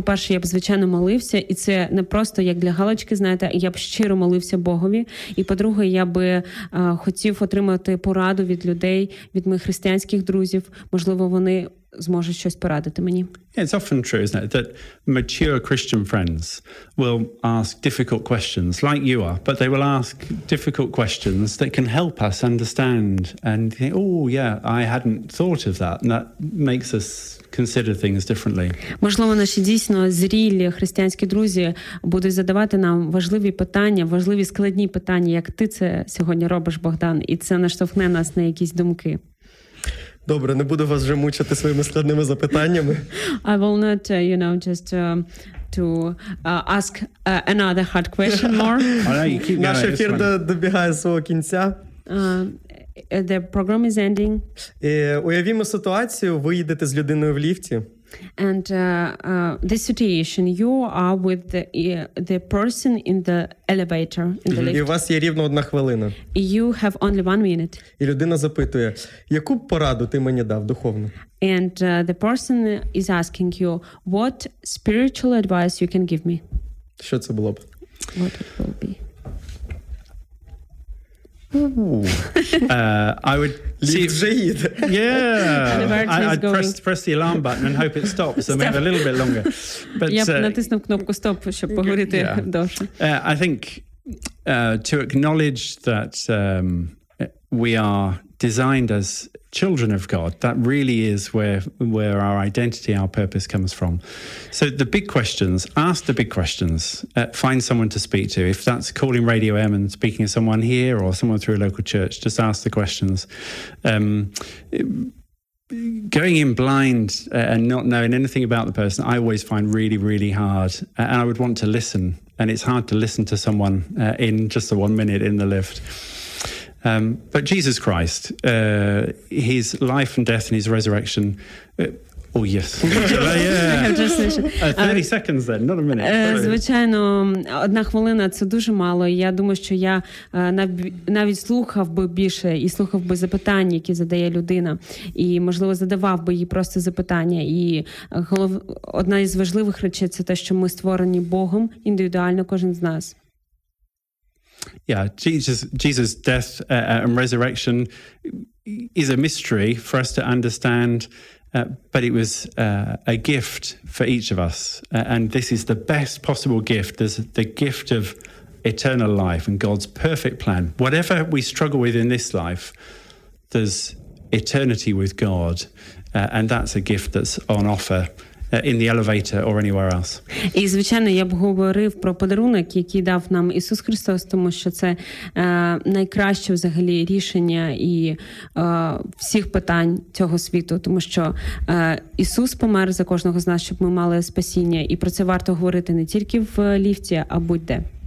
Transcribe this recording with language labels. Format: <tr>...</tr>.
<uk>По-перше, я б, звичайно, молився, і це не просто як для галочки, знаєте, я б щиро молився Богові. І, по-друге, я би хотів отримати пораду від людей, від моїх християнських друзів. Можливо, вони зможе щось порадити мені.</uk> <en>It's often true, isn't it, that mature Christian friends will ask difficult questions, like you are, but they will ask difficult questions that can help us understand and think, oh, yeah, I hadn't thought of that, and that makes us consider things differently.</en> <uk>Можливо, наші дійсно зрілі християнські друзі будуть задавати нам важливі питання, важливі складні питання, як ти це сьогодні робиш, Богдан, і це наштовхне нас на якісь думки. Добре, не буду вас вже мучити своїми складними запитаннями.</uk> <en>I will not, you know, just to ask another hard question more.</en> <uk>Наш ефір добігає свого кінця.</uk> <en>The program is ending.</en> <uk>Уявімо ситуацію, ви їдете з людиною в ліфті.</uk> <en>And the situation, you are with the person in the elevator, in the lift.</en> <uk>І у вас є рівно одна хвилина.</uk> <en>You have only one minute.</en> <uk>І людина запитує, яку б пораду ти мені дав духовно?</uk> <en>And the person is asking you, what spiritual advice you can give me?</en> <uk>Що це було б?</uk> <en>What it will be. I would see if she yeah. I'd press the alarm button and hope it stops. So maybe a little bit longer.</en> <uk>But я натисну кнопку стоп, щоб поговорити довше.</uk> <en>I think to acknowledge that we are designed as children of God. That really is where our identity, our purpose comes from. So the big questions, ask the big questions, find someone to speak to. If that's calling Radio M and speaking to someone here or someone through a local church, just ask the questions. Going in blind and not knowing anything about the person, I always find really, really hard. And I would want to listen. And it's hard to listen to someone in just the 1 minute in the lift. But Jesus Christ, his life and death and his resurrection. Yes. Yeah. 30 seconds then, not a minute.</en> <uk>Звичайно, одна хвилина – це дуже мало. Я думаю, що я навіть слухав би більше і слухав би запитання, які задає людина. І, можливо, задавав би їй просто запитання. І одна із важливих речей – це те, що ми створені Богом індивідуально, кожен з нас.</uk> <en>Yeah, Jesus' death and resurrection is a mystery for us to understand, but it was a gift for each of us. And this is the best possible gift. There's the gift of eternal life and God's perfect plan. Whatever we struggle with in this life, there's eternity with God. And that's a gift that's on offer. In the elevator or anywhere else.</en> <uk>І, звичайно, я б говорив про подарунок, який дав нам Ісус Христос, тому що це найкраще взагалі рішення і всіх питань цього світу, тому що Ісус помер за кожного з нас, щоб ми мали спасіння. І про це варто говорити не тільки в ліфті, а будь-де.</uk>